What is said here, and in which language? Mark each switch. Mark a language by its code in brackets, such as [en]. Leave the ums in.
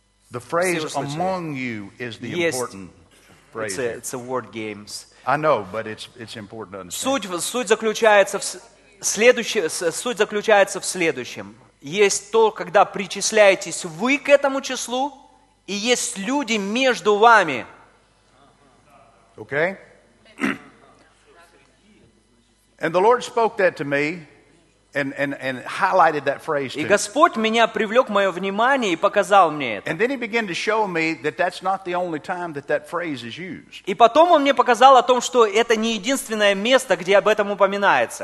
[en] the phrase among you is the important phrase. It's a, it's a word games. I know, but it's, it's important to understand. [ru] Суть, суть, заключается в следующем, суть заключается в следующем. Есть то, когда причисляетесь вы к этому числу, и есть люди между вами. [en] Okay. And the Lord spoke that to me and, and, and highlighted that phrase to me. [ru] И Господь меня привлек мое внимание и показал мне это. [en] And then he began to show me that that's not the only time that that phrase is used. [ru] И потом он мне показал о том, что это не единственное место, где об этом упоминается.